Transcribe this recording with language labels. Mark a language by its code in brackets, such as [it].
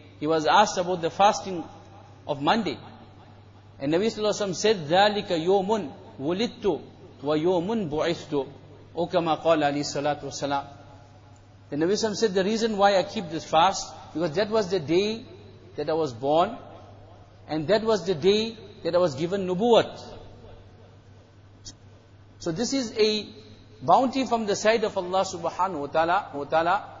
[en] He was asked about the fasting of Monday. And Nabi sallallahu alayhi wa sallam said, [ar] ذَلِكَ يَوْمٌ وُلِدْتُ وَيَوْمٌ بُعِثْتُ أو كما قال عليه الصلاة والسلام. [en] The Nabi said, the reason why I keep this fast, because that was the day that I was born, and that was the day that I was given nubuwat. So this is a bounty from the side of Allah subhanahu wa ta'ala.